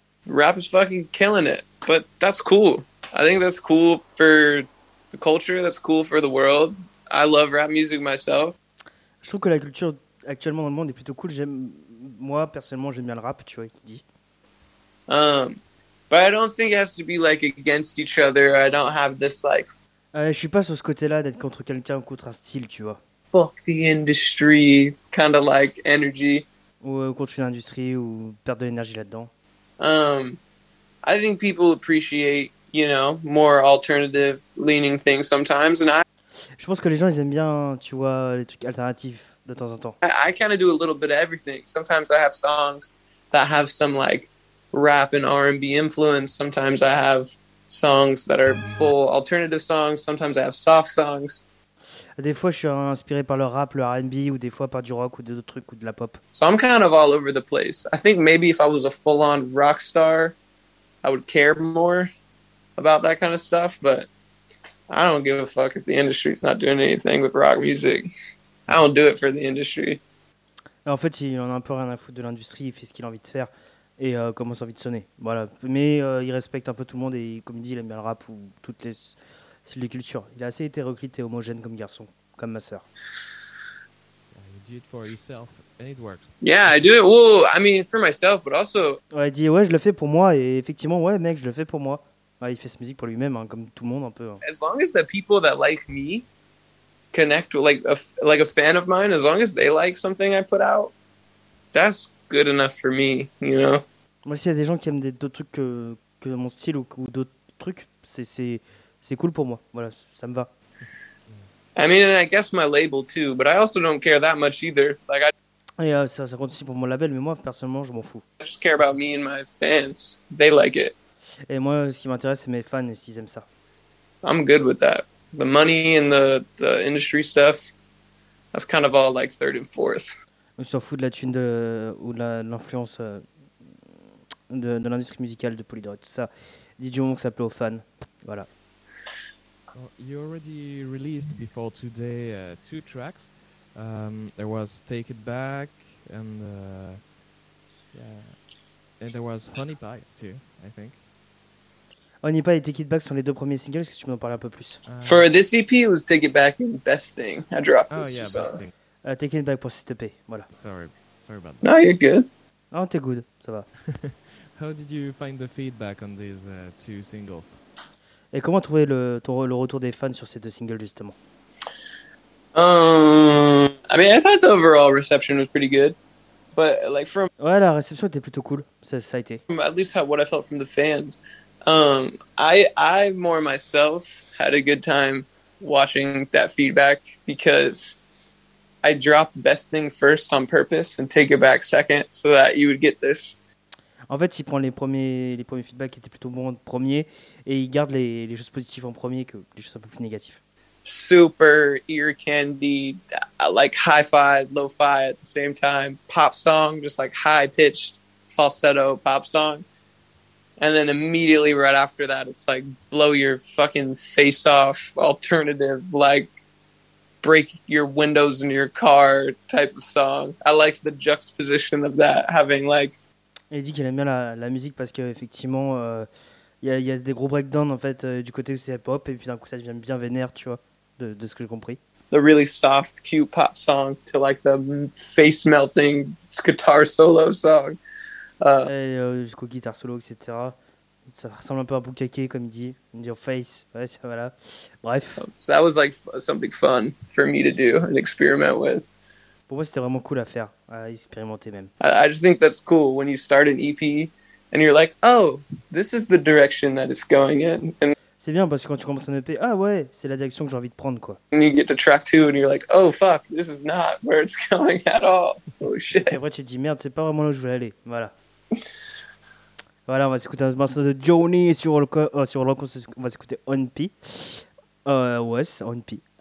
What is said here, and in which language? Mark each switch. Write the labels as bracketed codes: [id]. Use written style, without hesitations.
[en] Rap is fucking killing it, but that's cool. I think that's cool for the culture, that's cool for the world. I love rap music myself. [fr] Je trouve que la culture actuellement dans le monde est plutôt cool. Moi, personnellement, j'aime bien le rap, tu vois, qui dit. [en] But I don't think it has to be like against each other. I don't have dislikes. [fr] Je suis pas sur ce côté-là d'être contre quelqu'un ou contre un style, tu vois. [en] Fuck the industry, kind of like energy. [fr] Ou contre une industrie ou perdre de l'énergie là-dedans. [en] I think people appreciate, you know, more alternative leaning things sometimes, and I. [fr] Je pense que les gens ils aiment bien, tu vois, les trucs alternatifs de temps en temps. [en] I kind of do a little bit of everything. Sometimes I have songs that have some like rap and R&B influence. Sometimes I have songs that are full alternative songs. Sometimes I have soft songs. [fr] Des fois, je suis inspiré par le rap, le R&B, ou des fois par du rock ou d'autres trucs ou de la pop. [en] So I'm kind of all over the place. I think maybe if I was a full-on rock star, I would care more about that kind of stuff. But I don't give a fuck if the industry is not doing anything with rock music. I don't do it for the industry. [fr] En fait, il en a un peu rien à foutre de l'industrie. Il fait ce qu'il a envie de faire. Et comment ça a envie de sonner, voilà. Mais il respecte un peu tout le monde et comme il dit, il aime bien le rap ou toutes les styles de culture. Il est assez hétéroclite et homogène comme garçon, comme ma sœur. [en] Yeah, you do it for yourself and it works. Yeah, I do it. Well, I mean, for myself, but also. [fr] Ouais, il dit ouais, je le fais pour moi et effectivement, ouais, mec, je le fais pour moi. Ouais, il fait sa musique pour lui-même, hein, comme tout le monde un peu. Hein. [en] As long as the people that like me connect with like a fan of mine, as long as they like something I put out, that's good enough for me, you know. [fr] Moi aussi, il y a des gens qui aiment d'autres trucs que mon style ou d'autres trucs, c'est cool pour moi. Voilà, ça me va. [en] I mean, and I guess my label too, but I also don't care that much either. Like I. [fr] Et ça compte aussi pour mon label, mais moi personnellement, je m'en fous. [en] I just care about me and my fans. They like it. [fr] Et moi, ce qui m'intéresse, c'est mes fans et s'ils aiment ça. [en] I'm good with that. The money and the industry stuff, that's kind of all like third and fourth. [fr] On s'en fout de la thune de l'influence de l'industrie musicale de Polydor et tout ça. Dis du moment que ça plaît aux fans. Voilà. [en] You already released before today two tracks. There was Take It Back and there was Honey Pie too, I think. [fr] Honey Pie et Take It Back sont les deux premiers singles. Est-ce que tu peux en parler un peu plus? [en] For this EP, it was Take It Back and Best Thing. I dropped those two songs. [fr] Take It Back pour cette EP, voilà. [en] Sorry about that. No, you're good. [fr] Oh, t'es good, ça va. [en] How did you find the feedback on these two singles? [fr] Et comment trouver le retour des fans sur ces deux singles, justement? [en] I mean, I thought the overall reception was pretty good, but like from [fr] ouais, la réception était plutôt cool. Ça a été. [en] At least what I felt from the fans. I more myself had a good time watching that feedback because I dropped Best Thing first on purpose and Take It Back second so that you would get this. [fr] En fait, il prend les premiers feedbacks qui étaient plutôt bons en premier et il garde les choses positives en premier que les choses un peu plus négatives. [en] Super ear candy, like hi-fi, lo-fi at the same time, pop song, just like high-pitched falsetto pop song. And then immediately right after that, it's like blow your fucking face off alternative, like break your windows in your car type of song. I like the juxtaposition of that, having like... [fr] Il dit qu'il aime bien la musique parce qu'effectivement, il y a des gros breakdowns en fait du côté où c'est hip-hop et puis d'un coup ça devient bien vénère, tu vois, de ce que j'ai compris. [en] The really soft, cute pop song to like the face-melting guitar solo song. [fr] Jusqu'au guitar solo, etc. Ça ressemble un peu à Bukake, comme il dit. [en] In your face. [fr] Ouais, ça, voilà. Bref. [en] So that was like something fun for me to do and experiment with. [fr] Pour moi, c'était vraiment cool à faire, à expérimenter même. [en] I just think that's cool when you start an EP and you're like, oh, this is the direction that it's going in. And [fr] c'est bien parce que quand tu commences un EP, ah ouais, c'est la direction que j'ai envie de prendre, quoi. [en] And you get to track two and you're like, oh fuck, this is not where it's going at all. Oh shit. [fr] Et après, tu te dis, merde, c'est pas vraiment là où je voulais aller. Voilà. Voilà, on va s'écouter un morceau de Johnny sur le concert. On va s'écouter On P. Ouais, On P.